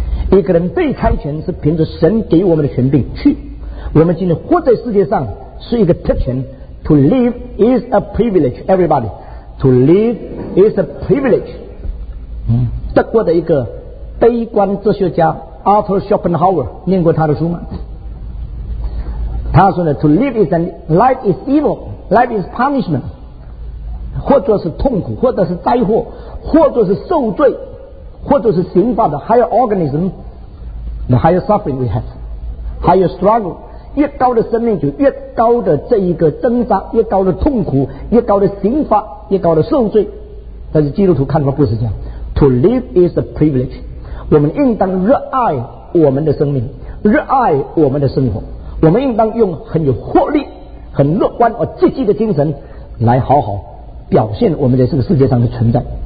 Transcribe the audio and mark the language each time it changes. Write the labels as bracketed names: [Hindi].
[Chinese] 一个人被差遣是凭着神给我们的权柄去，我们今天活在世界上是一个特权。 [English] To live is a privilege everybody， To live is a privilege。 [Chinese] 德国的一个悲观哲学家 Arthur Schopenhauer 念过他的书吗？他说呢， [English] To live is an life is evil， life is punishment， [Chinese] 或者是痛苦，或者是灾祸，或者是受罪，或者是刑罚的 [English] higher organism， the higher suffering we have， higher struggle。 [Chinese] 越高的生命就越高的这一个挣扎，越高的痛苦，越高的刑罚，越高的受罪。但是基督徒看法不是这样。 [English] To live is a privilege， [Chinese] 我们应当热爱我们的生命，热爱我们的生活，我们应当用很有活力、很乐观而积极的精神来好好表现我们在这个世界上的存在。